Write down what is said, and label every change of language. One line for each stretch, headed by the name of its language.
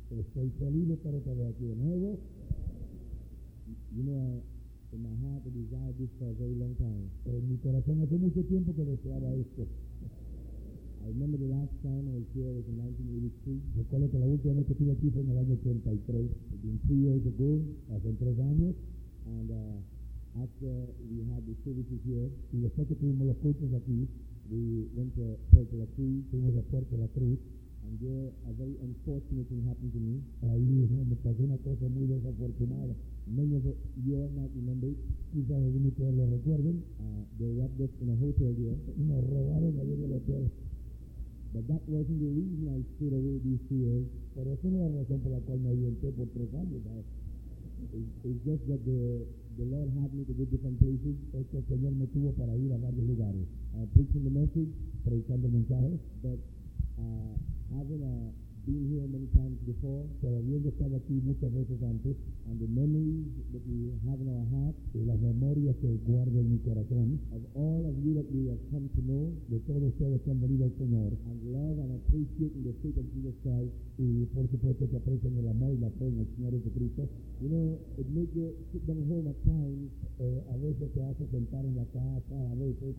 Spanish: Estoy feliz de estar otra vez aquí de nuevo.
English: You know, in my heart, I desired this for a very long time.
Spanish: Pero en mi corazón hace mucho tiempo que deseaba esto.
English: I remember the last time I was here was in 1983.
Spanish: Recuerdo que la última vez que estuve aquí fue en el año 83.
English: It's been 3 years ago.
Spanish: Hace 3 años.
English: And after we had the services here,
Spanish: y después que tuvimos los cultos aquí,
English: we went to Puerto La Cruz.
Spanish: Fuimos a Puerto La Cruz.
English: And there, a very unfortunate thing happened to me.
Spanish: Ahí me pasó una cosa muy desafortunada.
English: Many of you are not remembered.
Spanish: Quizás algunos de ustedes lo recuerden.
English: They robbed us in a hotel here.
Spanish: Nos robaron allí en el hotel.
English: But that wasn't the reason I stayed away these 3 years.
Spanish: Pero esa no es la razón por la cual me ausenté por 3 años.
English: It's just that the Lord had me to go different places.
Spanish: Es que el Señor me tuvo para ir a varios lugares.
English: Preaching the message.
Spanish: Predicando mensajes.
English: But having been here many times before.
Spanish: Pero habiendo estado aquí muchas veces antes.
English: And the memories that we have in our hearts.
Spanish: Y las memorias que guardo en mi corazón.
English: Of all of you that we have come to know.
Spanish: De todos ustedes que han venido al Señor.
English: And love and appreciate the faith of Jesus Christ.
Spanish: Y por supuesto que aprecian el amor y la fe en el Señor Jesucristo.
English: You know, it makes you sit down home at times.
Spanish: A veces te hace sentar en la casa, a veces.